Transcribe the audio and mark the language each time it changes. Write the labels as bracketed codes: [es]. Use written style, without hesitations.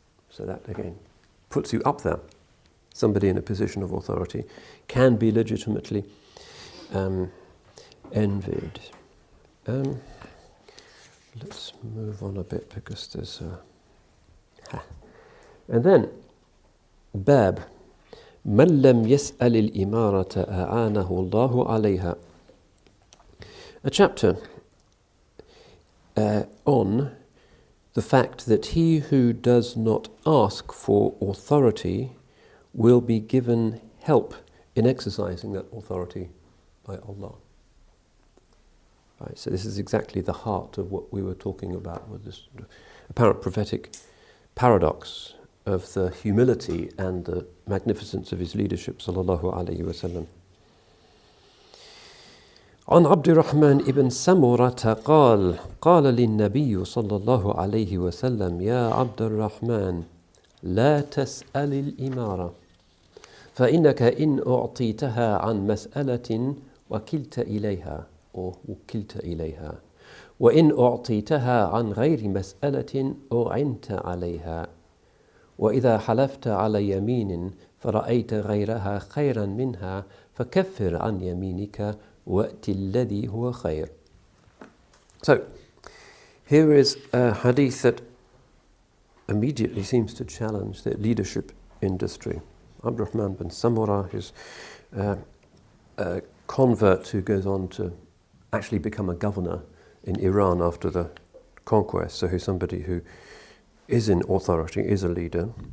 [en] So that, again, puts you up there. Somebody in a position of authority can be legitimately envied. Let's move on a bit because there's And then, Bab, [ar] مَنْ لَمْ يَسْأَلِ الْإِمَارَةَ أَعَانَهُ اللَّهُ عَلَيْهَا. [en] A chapter on the fact that he who does not ask for authority will be given help in exercising that authority by Allah. Right, so this is exactly the heart of what we were talking about with this apparent prophetic paradox of the humility and the magnificence of his leadership, sallallahu alayhi wa sallam. [ar] عن عبد الرحمن ابن سمرة قال قال للنبي صلى الله عليه وسلم يا عبد الرحمن لا تسأل الإمارة فإنك إن أعطيتها عن مسألة وكلت إليها أو وكلت إليها وإن أعطيتها عن غير مسألة أعنت عليها وإذا حلفت على يمين فرأيت غيرها خيرا منها فكفر عن يمينك وَأْتِ الَّذِي هُوَ خَيْرٌ. [en] So, here is a hadith that immediately seems to challenge the leadership industry. Abd al-Rahman bin Samura, who's a convert who goes on to actually become a governor in Iran after the conquest, so he's somebody who is in authority, is a leader.